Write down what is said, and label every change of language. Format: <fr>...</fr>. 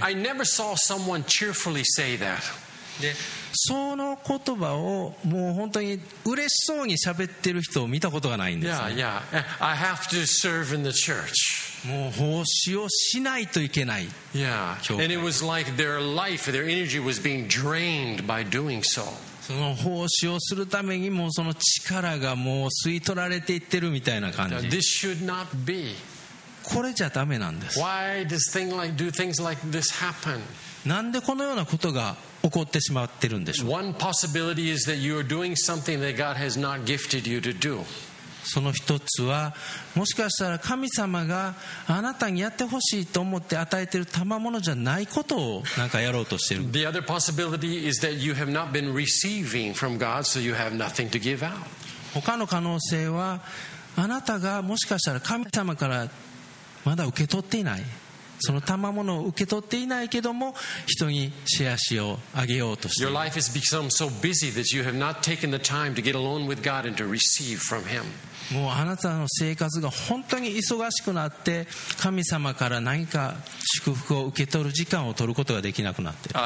<en>And I never saw someone cheerfully say that.</en> <ja>その言葉をもう本当に嬉しそうに喋ってる人を見たことがないんですね。</ja> <en>Yeah. I have to serve in the church.</en> <ja>もう奉仕をしないといけない。</ja> <en>Yeah. And it was like their life, their energy was being drained by doing so.</en> <ja>その奉仕をするためにもうその力がもう吸い取られていってるみたいな感じ。</ja> <en>This should not be.</en> <ja>これじゃダメなんです。</ja> <en>Why does things like do things like this happen?</en> <ja>なんでこのようなことが起こってしまってるんでしょう。</ja> <en>One possibility is that you are doing something that God has not gifted you to do.</en> <ja>その一つはもしかしたら神様があなたにやってほしいと思って与えている賜物じゃないことをなんかやろうとしている。</ja> <en>The other possibility is that you have not been receiving from God, so you have nothing to give out.</en> <ja>他の可能性はあなたがもしかしたら神様からまだ受け取っていない。その賜物を受け取っていないけども人にシェアしよう、あげようとしている。</ja> <en>Your life has become so busy that you have not taken the time to get alone with God and to receive from Him.</en> <ja>もうあなたの生活が本当に忙しくなって神様から何か祝福を受け取る時間を取ることができなくなって。</ja>